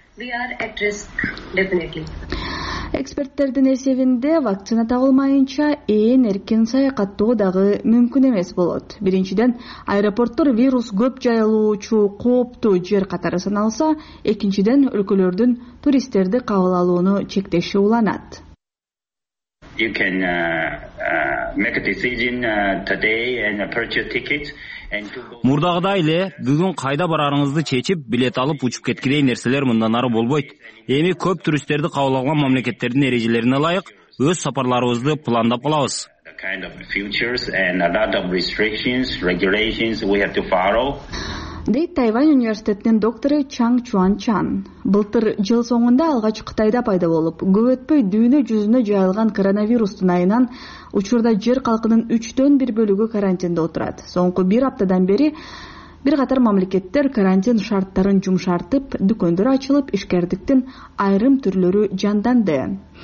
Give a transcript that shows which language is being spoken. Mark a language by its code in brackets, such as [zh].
[ky] Эксперттердин эсебинде вакцина табылмайынча ээн эркин саякаттоо дагы мүмкүн эмес болот. Биринчиден, аэропорттор вирус көп жайылуучу кооптуу жер катары саналса, экинчиден өлкөлөрдүн туристтерди кабыл алууну чектеши уланат. [en] You can make a decision today and purchase tickets. [ky] Мурдагыдай эле бүгүн кайда барарыңызды чечип, билет алып учуп кеткидей нерселер мындан ары болбойт. Эми көп туристтерди кабыл алган мамлекеттердин эрежелерине ылайык өз сапарларыбызды пландап алабыз. Дейт Тайвань университетинин доктору Чанг Чуан Чан. Былтыр жыл соңунда алгач Кытайда пайда болуп, көп өтпөй дүйнө жүзүнө жайылган коронавирустун айынан учурда жер калкынын 1/3 бөлүгү карантинде отурат. Соңку бир аптадан бери бир катар мамлекеттер карантин шарттарын жумшартып, дүкөндөр ачылып, ишкердиктин айрым түрлөрү жанданды.